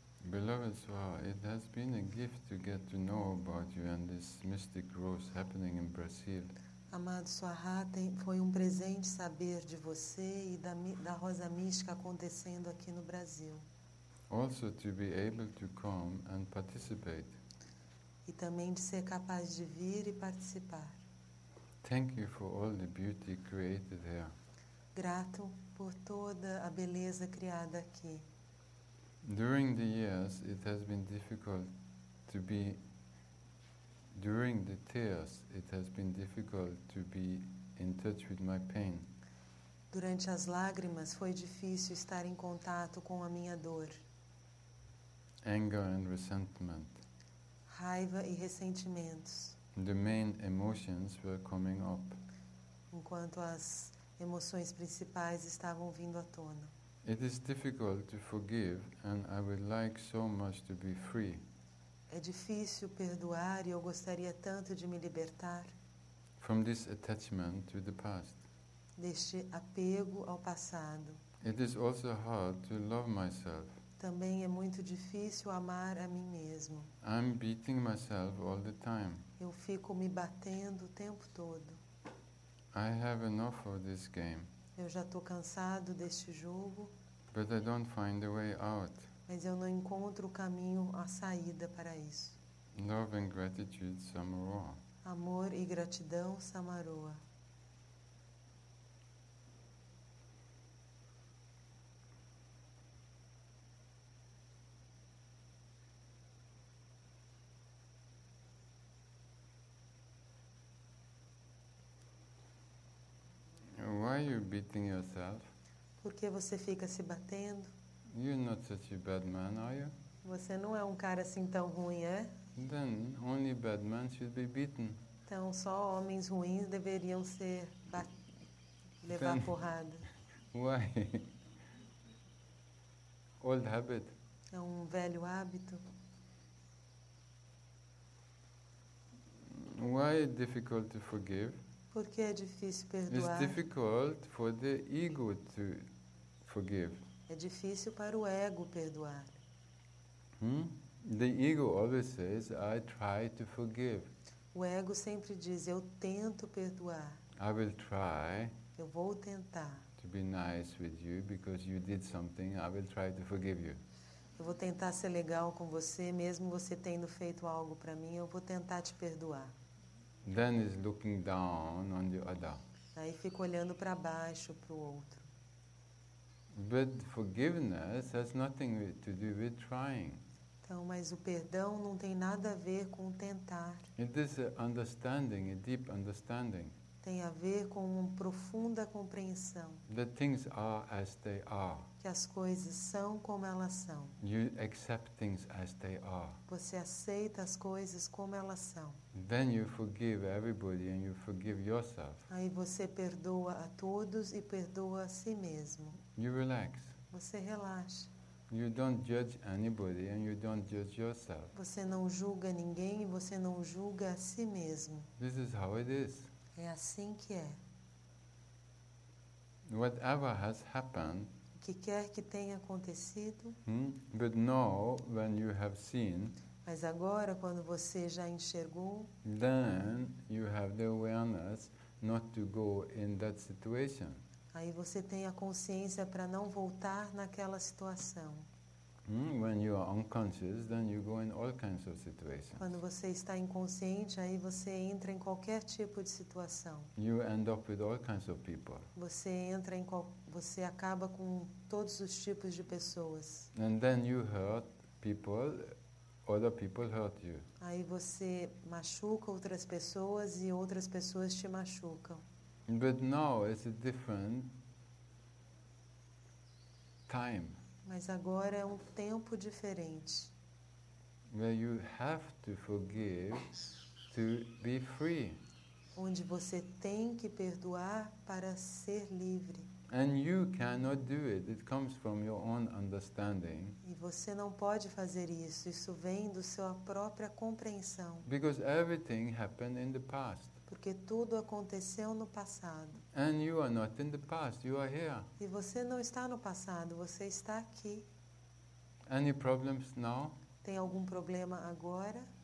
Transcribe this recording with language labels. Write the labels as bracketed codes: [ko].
[en] Beloved Swaha, it has been a gift to get to know about you and this mystic growth happening in Brazil. [pt] Amado Swaha, foi um presente saber de você e da rosa mística acontecendo aqui no Brasil. [en] Also to be able to come and participate. [pt] E também de ser capaz de vir e participar. [en] Thank you for all the beauty created here. [pt] Grato por toda a beleza criada aqui. [en] During the years, it has been difficult to be. During the tears, it has been difficult to be in touch with my pain. [pt] Durante as lágrimas, foi difícil estar em contato com a minha dor. [en] Anger and resentment. [pt] Raiva e ressentimentos. [en] The main emotions were coming up. [pt] Enquanto as emoções principais estavam vindo à tona. [en] It is difficult to forgive, and I would like so much to be free. [pt] É difícil perdoar e eu gostaria tanto de me libertar. [en] From this attachment to the past. [pt] Deste apego ao passado. [en] It is also hard to love myself. [pt] Também é muito difícil amar a mim mesmo. [en] I'm beating myself all the time. [pt] Eu fico me batendo o tempo todo. [en] I have enough of this game. [pt] Eu já estou cansado deste jogo. [en] But I don't find a way out. [pt] Mas eu não encontro o caminho, a saída para isso. [en] Love and gratitude, Samaroa. [pt] Amor e gratidão, Samaroa. [en] Why are you beating yourself? [pt] Por que você fica se batendo? [en] You're not such a bad man, are you? [pt] Você não é um cara assim tão ruim, é? [en] Then only bad men should be beaten. [pt] Então só homens ruins deveriam ser levar [en] then, [pt] porrada. [en] Why? Old habit. [pt] É um velho hábito. [en] Why is it difficult to forgive? [pt] Porque é difícil perdoar. [en] It's difficult for the ego to forgive. [pt] É difícil para o ego perdoar. Hmm? [en] The ego always says, I try to forgive. [pt] O ego sempre diz, eu tento perdoar. [en] I will try. [pt] Eu vou tentar. [en] To be nice with you because you did something, I will try to forgive you. [pt] Eu vou tentar ser legal com você, mesmo você tendo feito algo para mim, eu vou tentar te perdoar. [en] Then is looking down on the other. [pt] Aí fica olhando para baixo para o outro. [en] But forgiveness has nothing to do with trying. [pt] Então, mas o perdão não tem nada a ver com tentar. [en] It is a understanding, a deep understanding. [pt] Tem a ver com uma profunda compreensão. [en] That things are as they are. [pt] Que as coisas são como elas são. [en] You accept things as they are. [pt] Você aceita as coisas como elas são. [en] Then you forgive everybody and you forgive yourself. [pt] Aí você perdoa a todos e perdoa a si mesmo. [en] You relax. [pt] Você relaxa. [en] You don't judge anybody and you don't judge yourself. [pt] Você não julga ninguém e você não julga a si mesmo. [en] This is how it is. [pt] É assim que é. [en] Whatever has happened, [pt] que quer que tenha acontecido, [en] but now, when you have seen, [pt] mas agora, quando você já enxergou, [en] then you have the awareness not to go in that situation. [pt] Aí você tem a consciência para não voltar naquela situação. [en] When you are unconscious, then you go in all kinds of situations. [pt] Quando você está inconsciente, aí você entra em qualquer tipo de situação. [en] You end up with all kinds of people. [pt] Você acaba com todos os tipos de pessoas. [en] And then you hurt people, other people hurt you. [pt] Aí você machuca outras pessoas e outras pessoas te machucam. [en] But now it's a different time. [pt] Mas agora é um tempo diferente. [en] Where you have to forgive to be free. [pt] Onde você tem que perdoar para ser livre. [en] And you cannot do it. It comes from your own understanding. [pt] E você não pode fazer isso. Isso vem da sua própria compreensão. [en] Because everything happened in the past. [pt] Porque tudo aconteceu no passado. [en] And you are not in the past, you are here. [pt] E você não está no passado, você está aqui. [en] Any problems now? [pt] Tem algum problema agora?